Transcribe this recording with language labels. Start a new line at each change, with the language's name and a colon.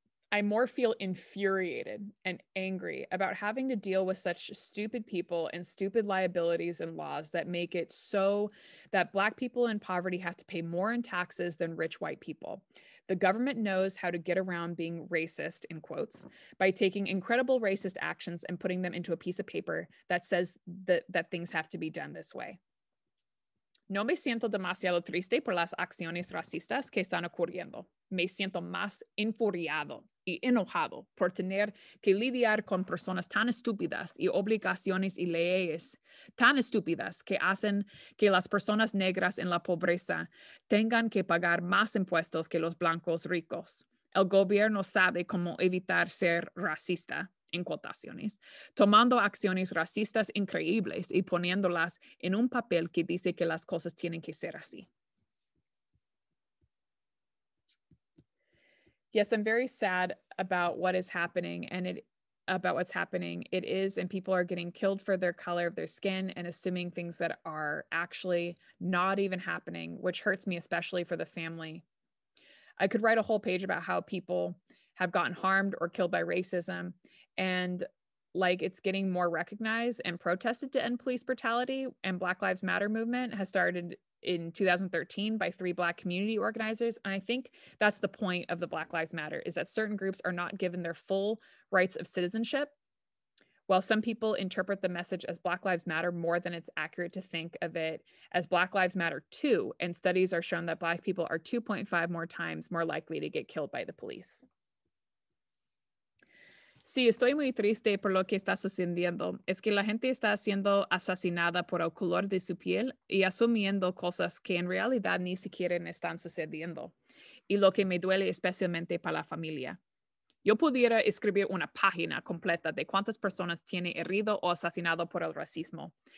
English: I more feel infuriated and angry about having to deal with such stupid people and stupid liabilities and laws that make it so that Black people in poverty have to pay more in taxes than rich white people. The government knows how to get around being racist, in quotes, by taking incredible racist actions and putting them into a piece of paper that says that things have to be done this way.
Spanish: No me siento demasiado triste por las acciones racistas que están ocurriendo. Me siento más enfuriado y enojado por tener que lidiar con personas tan estúpidas y obligaciones y leyes tan estúpidas que hacen que las personas negras en la pobreza tengan que pagar más impuestos que los blancos ricos. El gobierno sabe cómo evitar ser racista, en cotaciones, tomando acciones racistas increíbles y poniéndolas en un papel que dice que las cosas tienen que ser así.
English: Yes, I'm very sad about what is happening and it is, and people are getting killed for their color of their skin and assuming things that are actually not even happening, which hurts me, especially for the family. I could write a whole page about how people have gotten harmed or killed by racism, and like it's getting more recognized and protested to end police brutality, and Black Lives Matter movement has started in 2013 by three Black community organizers. And I think that's the point of the Black Lives Matter, is that certain groups are not given their full rights of citizenship. While some people interpret the message as Black Lives Matter more than it's accurate to think of it as Black Lives Matter too. And studies are shown that Black people are 2.5 more times more likely to get killed by the police.
Spanish: Sí, estoy muy triste por lo que está sucediendo. Es que la gente está siendo asesinada por el color de su piel y asumiendo cosas que en realidad ni siquiera están sucediendo. Y lo que me duele especialmente para la familia. Yo pudiera escribir una página completa de cuántas personas tiene herido o asesinado por el racismo.